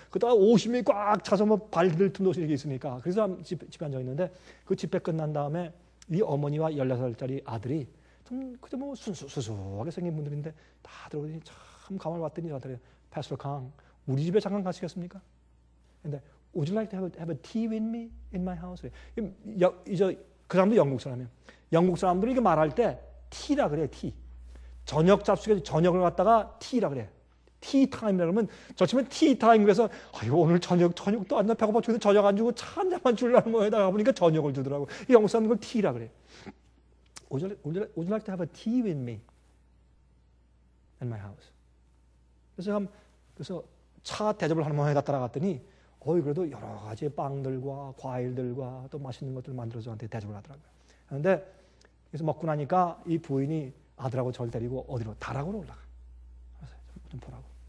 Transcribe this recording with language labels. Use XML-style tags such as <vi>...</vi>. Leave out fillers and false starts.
<ko>그다가 50명이 꽉 차서 뭐 발 들 틈도 없이 있으니까. 그래서 집에 앉아 있는데 그 집회 끝난 다음에 이 어머니와 14살짜리 아들이 좀 그저 뭐 수수하게 생긴 분들인데 다 들어오더니 참 가만히 왔더니 저한테 패스터 캉, 우리 집에 잠깐 가시겠습니까?</ko> <en>근데 Would you like to have a tea with me in my house?</en> <ko>그 사람도 영국 사람이에요. 영국 사람들이 이렇게 말할 때 티라 그래요. 티. 저녁 잡수에서 저녁을 갖다가 티라 그래. 티 타임이라 그러면 저 치면 티 타임 그래서 아유 오늘 저녁도 안 나 배고파 죽는데 저녁 안 주고 차 한 잔만 주려는 거에다 가보니까 저녁을 주더라고. 이 영국 사람은 그걸 티라 그래.</ko> <en>Would you like to have a tea with me in my house?</en> <ko>그래서 차 대접을 하는 모양에다 따라갔더니 어이 그래도 여러 가지 빵들과 과일들과 또 맛있는 것들 만들어서 저한테 대접을 하더라고요. 그런데 그래서 먹고 나니까 이 부인이 아들하고 저를 데리고 어디로 다락으로 올라가. 그래서 좀 보라고.</ko>